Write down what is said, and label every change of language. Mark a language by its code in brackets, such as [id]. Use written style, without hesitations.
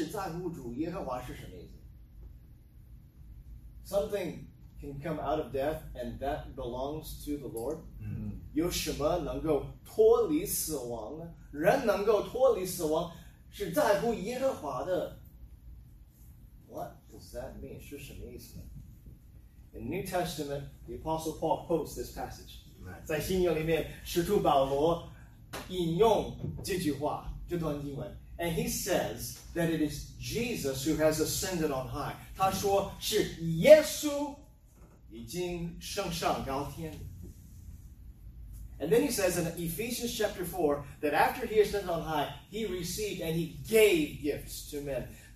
[zh] 29节说，我们的神是拯救的神，人能脱离死亡是在乎主耶和华是什么意思？ [en] Something can come out of death, and that belongs to the Lord. [zh] 有什么能够脱离死亡呢？人能够脱离死亡，是在乎耶和华的 [en] What does that mean? It's just amazing. In the New Testament, the Apostle Paul quotes this passage. Right. And he says that it is Jesus who has ascended on high. [zh] 他说是耶稣已经升上高天。 [en] And then he says in Ephesians chapter 4 that after he ascended on high, he received and he gave gifts to men.